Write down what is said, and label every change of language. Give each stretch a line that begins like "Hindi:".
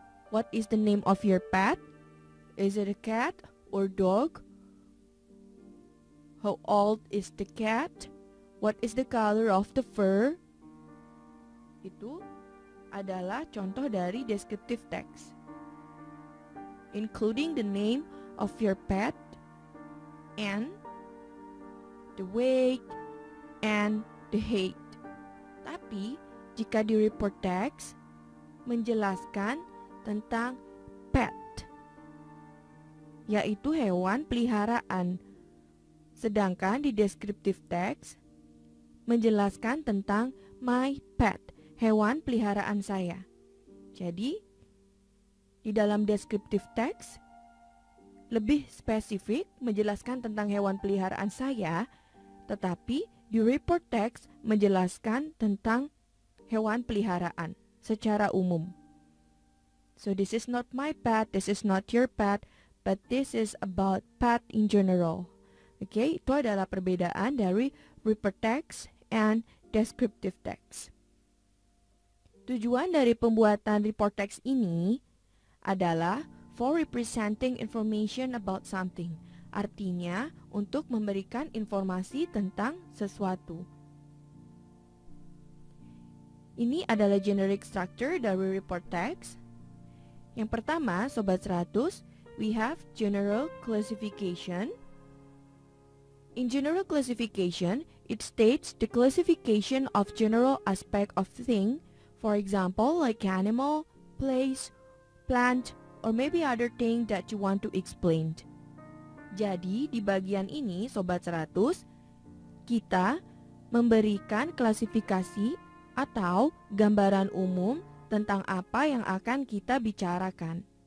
English: What is the name of your pet? Is it a cat or dog? How old is the cat? What is the color of the fur?
Indonesian: Itu adalah contoh dari descriptive text.
English: Including the name of your pet and the weight and the height.
Indonesian: Tapi jika di report text menjelaskan tentang pet, yaitu hewan peliharaan, sedangkan di descriptive text menjelaskan tentang my pet, hewan peliharaan saya. Jadi di dalam descriptive text lebih spesifik menjelaskan tentang hewan peliharaan saya, tetapi di report text menjelaskan tentang hewan peliharaan secara umum.
English: So this is not my pet, this is not your pet, but this is about pet in general.
Indonesian: Okay, itu adalah perbedaan dari report text and descriptive text. Tujuan dari pembuatan report text ini adalah
English: for representing information about something.
Indonesian: Artinya, untuk memberikan informasi tentang sesuatu. Ini adalah generic structure dari report text. Yang pertama, Sobat 100,
English: we have general classification. In general classification, it states the classification of general aspect of thing, for example, like animal, place, plant, or maybe other thing that you want to explain.
Indonesian: Jadi, di bagian ini, Sobat 100, kita memberikan klasifikasi atau gambaran umum tentang apa yang akan kita bicarakan.